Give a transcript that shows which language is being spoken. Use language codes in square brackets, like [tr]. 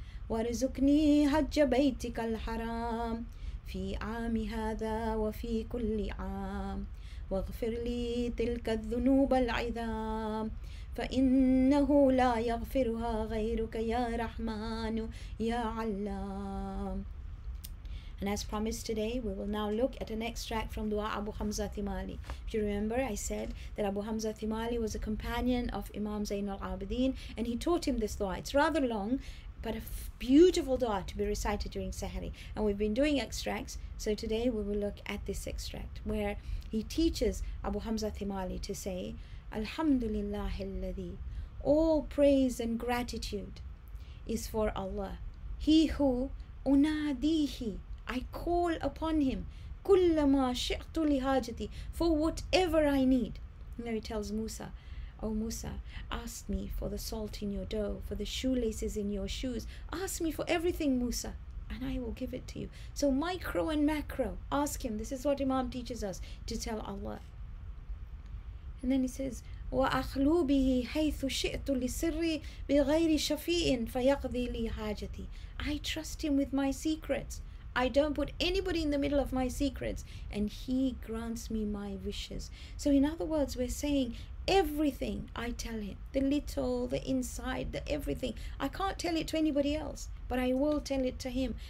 [ar] وارزقني حج بيتك الحرام في عام هذا وفي كل عام واغفر لي تلك الذنوب العظام فإنه لا يغفرها غيرك يا رحمن يا علام. [en] And as promised today, we will now look at an extract from Dua Abu Hamza Thimali. If you remember, I said that Abu Hamza Thimali was a companion of Imam Zain al-Abidin and he taught him this dua. It's rather long, but a beautiful dua to be recited during Sahari. And we've been doing extracts, so today we will look at this extract where he teaches Abu Hamza Thimali to say, [ar] Alhamdulillah alladhi, [en] all praise and gratitude is for Allah. He who [ar] unadihi, [en] I call upon him, [ar] kullama shi'tu lihajati, [en] for whatever I need. Now he tells Musa, O Musa, ask me for the salt in your dough, for the shoelaces in your shoes. Ask me for everything, Musa, and I will give it to you. So micro and macro, ask him. This is what Imam teaches us to tell Allah. And then he says, [ar] وَأَخْلُو بِهِ حَيْثُ شِئْتُ لِسِرِّي بِغَيْرِ شَفِيءٍ فَيَقْضِي لِي حَاجَتِي. [en] I trust him with my secrets. I don't put anybody in the middle of my secrets, and he grants me my wishes. So in other words, we're saying, everything I tell him, the little, the inside, the everything, I can't tell it to anybody else, but I will tell it to him.